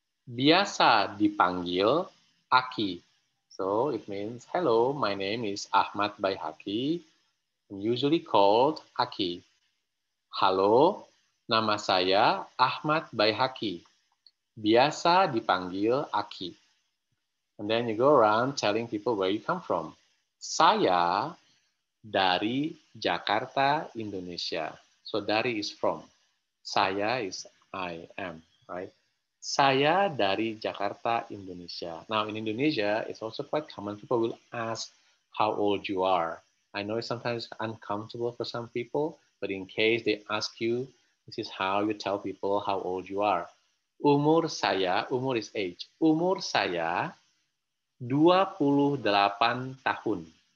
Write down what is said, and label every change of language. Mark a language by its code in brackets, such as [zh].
[id] Biasa dipanggil Aki. [en] So it means, hello, my name is Ahmad Baihaqi. I'm usually called Aki. [id] Halo, nama saya Ahmad Baihaqi. Biasa dipanggil Aki. [en] And then you go around telling people where you come from. [id] Saya dari Jakarta, Indonesia. [en] So dari is from, saya is I am, right? [id] Saya dari Jakarta, Indonesia. [en] Now in Indonesia, it's also quite common. People will ask how old you are. I know it's sometimes uncomfortable for some people, but in case they ask you, this is how you tell people how old you are. [id] Umur saya, [en] umur is age. [id] Umur saya 28 tahun.